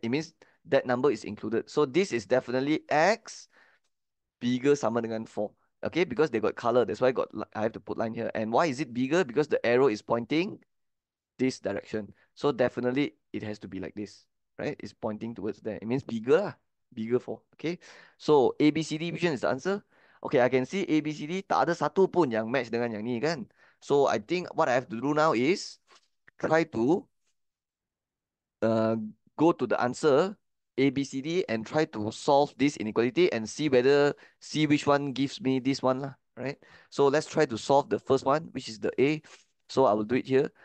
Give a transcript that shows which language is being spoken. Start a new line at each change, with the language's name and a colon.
English: It means that number is included. So this is definitely x bigger
Malay: sama dengan
English: 4. Okay, because they got color. That's why I have to put line here. And why is it bigger? Because the arrow is pointing this direction. So definitely it has to be like this. Right? It's pointing towards there. It means bigger. Bigger 4. Okay. So ABCD, which one is the answer? Okay, I can see ABCD.
Malay: Tak ada satu pun yang match dengan yang ni kan?
English: So I think what I have to do now is try to go to the answer A, B, C, D and try to solve this inequality and see which one gives me this one, right? So let's try to solve the first one, which is the A. So I will do it here.